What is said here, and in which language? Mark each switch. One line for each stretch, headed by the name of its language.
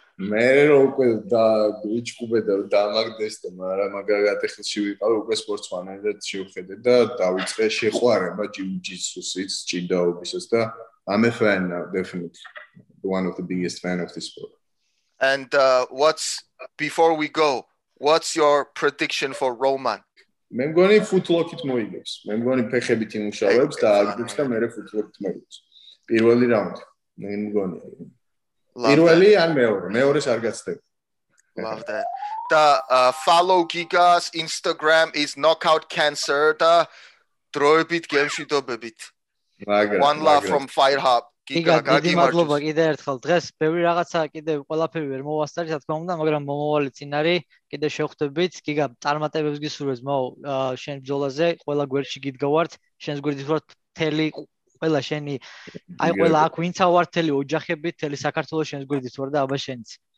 Georgian: მე რო უკვე და ვიჩკუბე და დამაგდეს და მაგრამ მაგალითად ხელში ვიყავი უკვე სპორტსმანები და შევხედე და დავიწყე შეყვარება ჯიუჯიტსუსიც, ჯიდაობისაც და
English: I'm a fan now, definitely. One of the biggest fan of this sport. And what's, before we go, what's your prediction for Roman?
Georgian: მე მგონი ფუტლოკით მოიგებს. მე მგონი ფეხებით იმუშავებს და აგდებს და მე ფუტლოკით მოიგებს. პირველი რაუნდი. მე მგონი. პირველი ან მეორე, მეორეს არ გაცდები.
English: Love that.
Georgian: და
English: follow Giga's Instagram is knockout cancer
Georgian: და დროებით გემშვიდობებით. მაგრამ
English: one love from Firehub.
Georgian: Giga, დიდი მადლობა კიდე ერთხელ. დღეს ბევრი რაღაცა კიდე ყველაფერი ვერ მოვასწარი, რა თქმა უნდა, მაგრამ მომავალი წინარი კიდე შევხვდებით. Giga, წარმატებებს გისურვებს, მოუ, შენ ბრძოლაზე ყველა გვერდში გიდგავართ, შენს გვერდით ვართ თელი ყველა შენი, აი ყველა აქ ვინცა ვართ თელი ოჯახები, თელი საქართველოს შენს გვერდით ვარ და აბა შენც.